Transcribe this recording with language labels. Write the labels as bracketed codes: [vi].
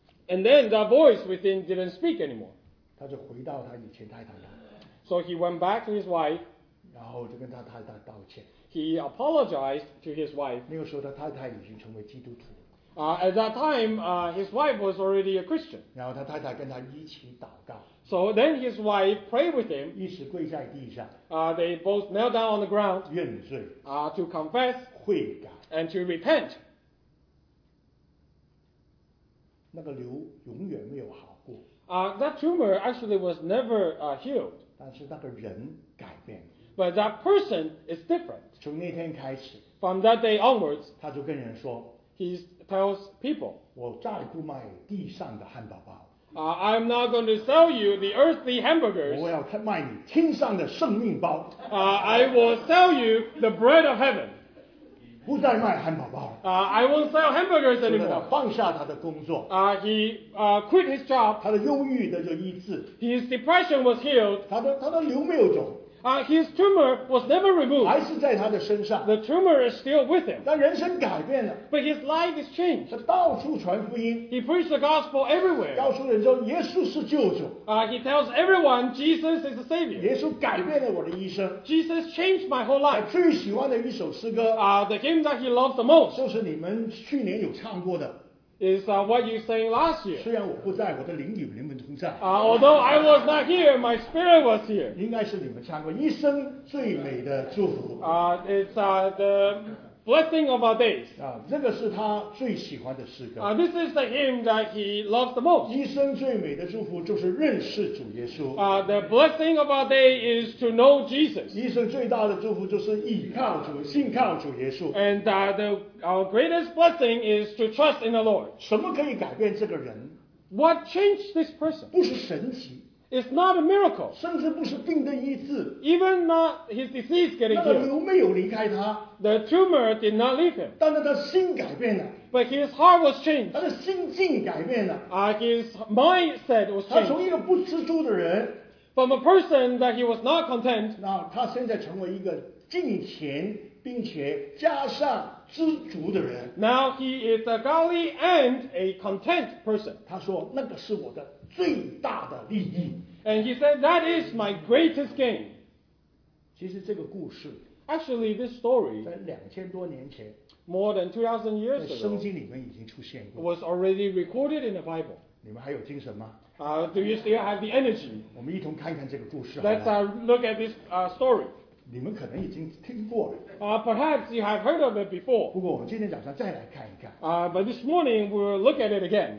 [en] And then the voice within didn't speak anymore. [zh] 他就回到他以前太太家。 [en] So he went back to his wife. [zh] 然后就跟他太太道歉。 [en] He apologized to his wife. [zh] 那个时候他太太已经成为基督徒。 [en] At that time, his wife was already a Christian. [zh] 然后他太太跟他一起祷告。 [en] So then his wife prayed with him. [zh] 一起跪在地上。 [en] They both knelt down on the ground. [zh] 认罪。 [en] To confess. [zh] 悔改。 [en] And to repent. [zh] 那个瘤永远没有好过。 [en] That tumor actually was never healed. [zh] 但是那个人改变了。 [en] But that person is different. [zh] 从那天开始。 [en] From that day onwards. [zh] 他就跟人说。 [en] He tells people, [zh] 我再不卖地上的汉堡包。 [en] I'm not going to sell you the earthly hamburgers. [zh] 我要卖你天上的生命包。 [en] I will sell you the bread of heaven. [zh] 不再卖汉堡包。 [en] I won't sell hamburgers anymore. [zh] 放下他的工作。 [en] He quit his job. [zh] 他的忧郁的就医治。 [en] His depression was healed. [zh] 他的瘤没有肿。 [en] His tumor was never removed. [zh] 还是在他的身上。 [en] The tumor is still with him. [zh] 但人生改变了。 [en] But his life is changed. [zh] 他到处传福音。 [en] He preached the gospel everywhere. [zh] 告诉人说耶稣是救主。 [en] He tells everyone Jesus is the savior. [zh] 耶稣改变了我的一生。 [en] Jesus changed my whole life. [zh] 他最喜欢的一首诗歌。 [en] The hymn that he loves the most. [zh] 就是你们去年有唱过的。 [en] Is what you sang last year. [zh] 虽然我不在，我的灵与你们同在。 [en] Although I was not here, my spirit was here. [zh] 应该是你们唱过一生最美的祝福。 [en] It's the blessing of our days. [zh] 这个是他最喜欢的诗歌。 [en] This is the hymn that he loves the most. [zh] 一生最美的祝福就是认识主耶稣。 [en] The blessing of our day is to know Jesus. [zh] 一生最大的祝福就是倚靠主，信靠主耶稣。 [en] Our greatest blessing is to trust in the Lord. [zh] 什么可以改变这个人？ [en] What changed this person? [zh] 不是神奇。 [en] is not a miracle. [zh] 甚至不是病的医治。 [en] Even not his disease getting healed. [zh] 那个瘤没有离开他。 [en] The tumor did not leave him. [zh] 但是他心改变了。 [en] But his heart was changed. [zh] 他的心境改变了。 [en] His mindset was changed. [zh] 他从一个不知足的人。 [en] From a person that he was not content. [zh] 那他现在成为一个敬虔并且加上知足的人。 [en] Now he is a godly and a content person. [zh] 他说那个是我的最大的利益。 [en] And he said that is my greatest gain. [zh] 其实这个故事 [en] actually this story [zh] 在2000多年前 [en] more than 2000 years ago [zh] 在圣经里面已经出现过 [en] was already recorded in the Bible. [zh] 你们还有精神吗？ [en] Do you still have the energy? [zh] 我们一同看看这个故事。 [en] Let's look at this story. [zh] 你们可能已经听过了。 [en] Perhaps you have heard of it before. [zh] 不过我们今天早上再来看一看。 [en] But this morning we'll look at it again.